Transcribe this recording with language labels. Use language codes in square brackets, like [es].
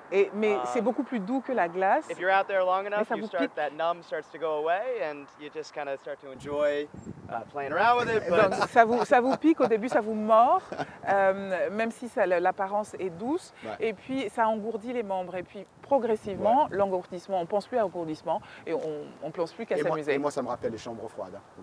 [fr] Et mais c'est beaucoup plus doux que la glace. [en] If you're out there long enough, you start that numb starts to go away and you just kind of start to enjoy playing around with it. [fr] Donc ça vous pique au début, ça vous mord même si ça l'apparence est douce et puis ça engourdit les membres et puis progressivement l'engourdissement, on ne pense plus à l'engourdissement et on ne pense plus qu'à et s'amuser. Moi, ça me rappelle les chambres froides.